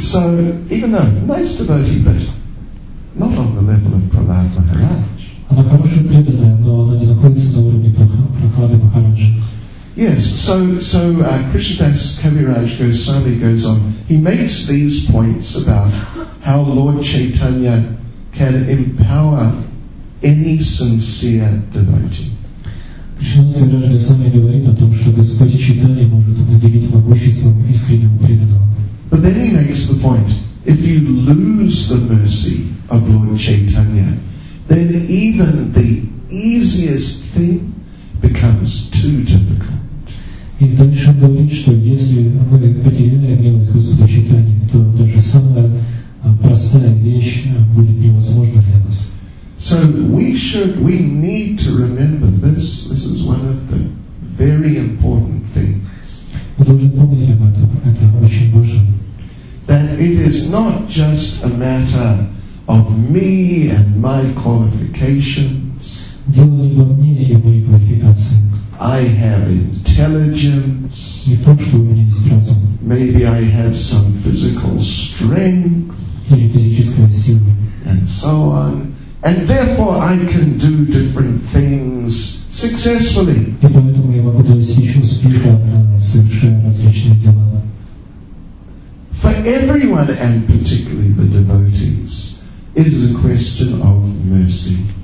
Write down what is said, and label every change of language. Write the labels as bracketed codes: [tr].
[en] So, even though nice devotee, but not on the level of Prahlad Maharaj. [ru] Она хорошая преданная, но она не находится на уровне Прахлады Махараджа. [en] Yes, so Krishnadas Kaviraj Goswami goes on. He makes these points about how Lord Chaitanya can empower any sincere devotee. [ru] Krishnadas Kaviraj Goswami говорит о том, что Господь Чайтанья может обладать могуществом искреннего преданного. [en] But then he makes the point, if you lose the mercy of Lord Chaitanya, then even the easiest thing becomes too difficult. [ru] И дальше он говорит, что если мы потеряем милость Господа Чайтаньи, то даже самая простая вещь будет невозможна для нас. [en] So we need to remember this. This is one of the very important things. [ru] Мы должны помнить об этом. Это очень важно. [en] That it is not just a matter of me and my qualifications. [ru] Дело не во мне и моей квалификации. [en] I have intelligence. [ru] Не то, что у меня есть разум. [en] Maybe I have some physical strength. [ru] Или физическая сила. [en] And so on. And therefore I can do different things successfully. [ru] И поэтому я могу достичь успеха, совершая различные дела. [en] For everyone, and particularly the devotees, it is a question of mercy.